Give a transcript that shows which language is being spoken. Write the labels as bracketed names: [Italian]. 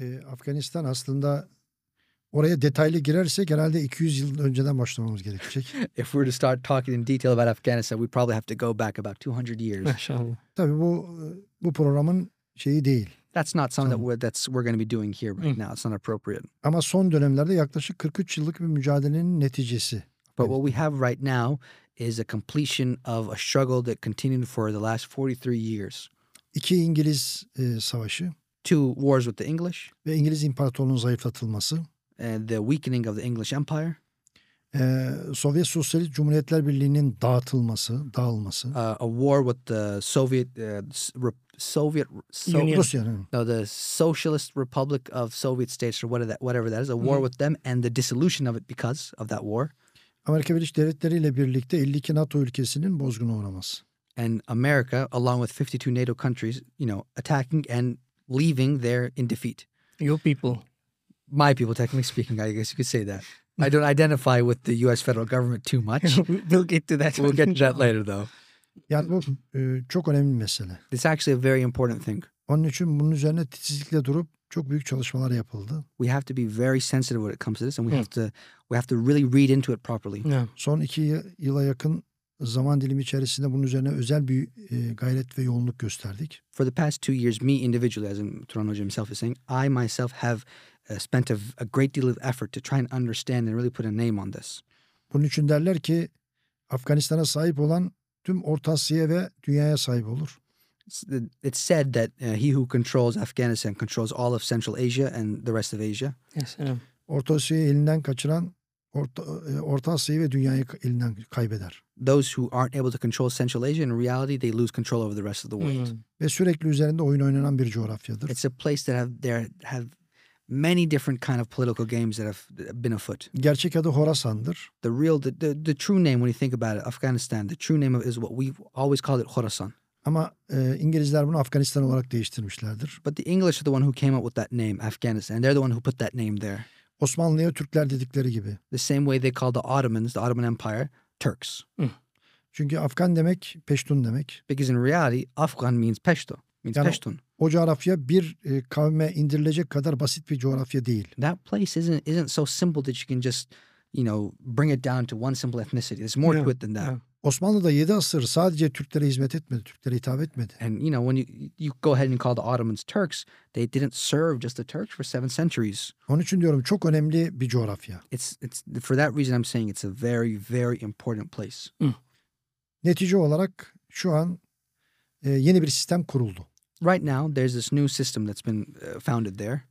[Turkish] Afganistan aslında oraya detaylı girerse genelde 200 yıl önceden başlamamız gerekecek. [English] If we were to start talking in detail about Afghanistan, we probably have to go back about 200 years. [Turkish] Maşallah. Tabii bu programın şeyi değil. [English] That's not something that we're going to be doing here right now. It's not appropriate. [Turkish] Ama son dönemlerde yaklaşık 43 yıllık bir mücadelenin neticesi. [English] But what we have right now is a completion of a struggle that continued for the last 43 years. [Turkish] İki İngiliz savaşı. [English] Two wars with the English. [Turkish] Ve İngiliz İmparatorluğu'nun zayıflatılması. [English] The weakening of the English Empire. [Turkish] Sovyet Sosyalist Cumhuriyetler Birliği'nin dağılması. [English] A war with the the Socialist Republic of Soviet States or whatever that is. A war with them and the dissolution of it because of that war. [Turkish] Amerika Birleşik Devletleri ile birlikte 52 NATO ülkesinin bozguna uğraması. [English] And America, along with 52 NATO countries, attacking and leaving there in defeat. Your people. My people, technically speaking, I guess you could say that. I don't identify with the U.S. federal government too much. We'll get to that. We'll get to that later, though. [Turkish] Yani bu çok önemli bir mesele. [English] It's actually a very important thing. [Turkish] Onun için bunun üzerine titizlikle durup çok büyük çalışmalar yapıldı. [English] We have to be very sensitive when it comes to this, and we have to really read into it properly. Yeah. [Turkish] Son iki yıla yakın zaman dilimi içerisinde bunun üzerine özel bir gayret ve yoğunluk gösterdik. [English] For the past two years, me individually, as Turan Hoca himself is saying, I myself have spent a great deal of effort to try and understand and really put a name on this. [Turkish] Bunun için derler ki, Afganistan'a sahip olan tüm Orta Asya'ya ve dünyaya sahip olur. [English] It's said that he who controls Afghanistan controls all of Central Asia and the rest of Asia. Yes, [Turkish] Orta Asya'yı elinden kaçıran Orta Asya'yı ve dünyayı elinden kaybeder. [English] Those who aren't able to control Central Asia, in reality, they lose control over the rest of the world. [Turkish] Ve sürekli üzerinde oyun oynanan bir coğrafyadır. [English] It's a place that have many different kind of political games that have been afoot. [Turkish] Gerçek adı Horasan'dır. [English] The real, the true name, when you think about it, Afghanistan, the true name of it is what we've always called it, Horasan. [Turkish] Ama İngilizler bunu Afganistan olarak değiştirmişlerdir. [English] But the English are the one who came up with that name, Afghanistan. They're the one who put that name there. [Turkish] Osmanlı'ya Türkler dedikleri gibi. [English] The same way they call the Ottomans, the Ottoman Empire, Turks. [Turkish] Çünkü Afgan demek, Peştun demek. [English] Because in reality, Afgan means Peşto. Means Peştun. [Turkish] O coğrafya bir kavme indirilecek kadar basit bir coğrafya değil. [English] That place isn't so simple that you can just, bring it down to one simple ethnicity. There's more to it than that. [Turkish] Osmanlı da 7 asır sadece Türklere hizmet etmedi, Türklere hitap etmedi. [English] And when you go ahead and call the Ottomans Turks, they didn't serve just the Turks for 7 centuries. [Turkish] Onun için diyorum çok önemli bir coğrafya. [English] It's for that reason I'm saying it's a very very important place. [Turkish] Netice olarak şu an yeni bir sistem kuruldu. [English] Right now there's this new system that's been founded there.